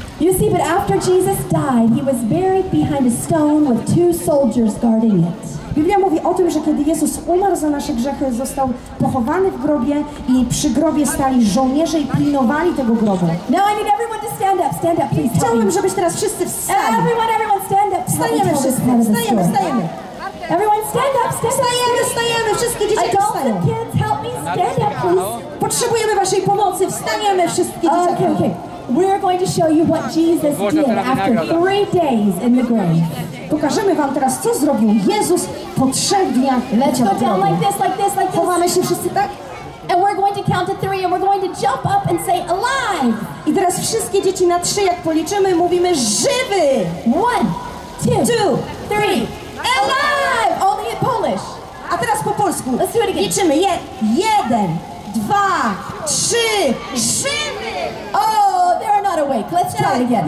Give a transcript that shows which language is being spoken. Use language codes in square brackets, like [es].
[en] You see, but after Jesus died, he was buried behind a stone with two soldiers guarding it. [pl] Biblia mówi o tym, że kiedy Jezus umarł za nasze grzechy, został pochowany w grobie i przy grobie stali żołnierze i pilnowali tego grobu. [en] Now I need everyone to stand up, please. [pl] Chciałbym, żebyś teraz wszyscy wstali. [en] Everyone, stand up. [pl] Wstajemy wszyscy, wstajemy. [en] Everyone stand up, stand up. [pl] Stajemy, wszystkie dzieciaki wstają. [en] Kids, help me stand up, please. [pl] Potrzebujemy waszej pomocy, wstaniemy wszystkie dzieciaki. [en] Okay. We're going to show you what Jesus did after 3 days in the grave. [pl] Pokażemy wam teraz, co zrobił Jezus po 3 dniach leciał w grobie. [en] Go down like this, like this, like this. [pl] Chowamy się wszyscy tak? [en] And we're going to count to 3 and we're going to jump up and say alive. [pl] I teraz wszystkie dzieci na 3, jak policzymy, mówimy żywy. [en] 1, 2, 3. Alive! Only in Polish. [pl] A teraz po polsku. [en] Let's do it again. [pl] Liczymy. 1, 2, 3. Żywy! [en] Oh, they're not awake. Let's try it again.